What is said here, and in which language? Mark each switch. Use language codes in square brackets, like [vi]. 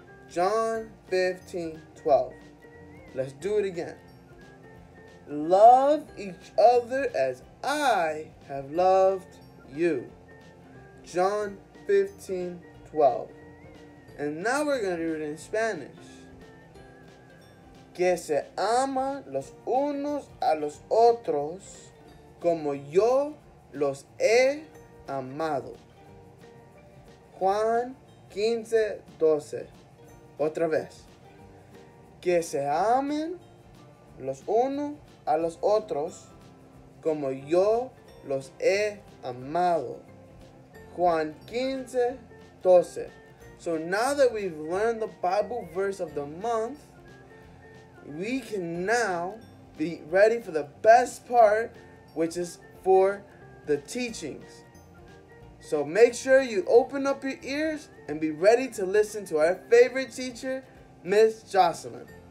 [en] John 15:12. Let's do it again. Love each other as I have loved you. John 15:12. And now we're going to do it in Spanish. [es] Que se ama los unos a los otros como yo los he amado. Juan 15:12. Otra vez. Que se amen los unos a los otros como yo los he amado. Juan 15:12. [en] So now that we've learned the Bible verse of the month, we can now be ready for the best part, which is for the teachings. So make sure you open up your ears and be ready to listen to our favorite teacher, Miss Jocelyn.